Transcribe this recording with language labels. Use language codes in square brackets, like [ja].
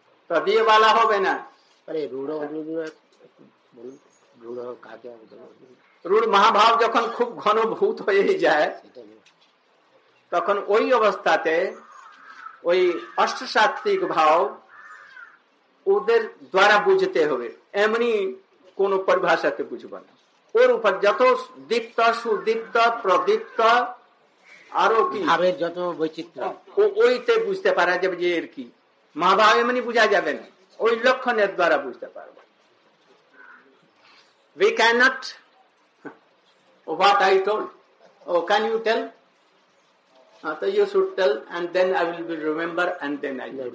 [bn] তদীয়বালা হবে না রূঢ় মহাভাব যখন খুব ঘনভূত হয়ে যায় তখন ওই অবস্থাতে ওই অষ্টসাত্ত্বিক ভাব ওদের দ্বারা বুঝতে হবে এমনি কোন পরিভাষাতে বুঝব না ওর উপর যত দীপ্ত সুদীপ্ত প্রদীপ্ত আরো কি ভাবের যত বৈচিত্র্য ওইতে বুঝতে পারা যাবে যে এর কি মহাভাব এমনি বোঝা যাবে না ওই লক্ষণের দ্বারা বুঝতে পারবে. [en] We cannot, what I told, oh, can you tell? So you should tell and then I will be remember and then I will.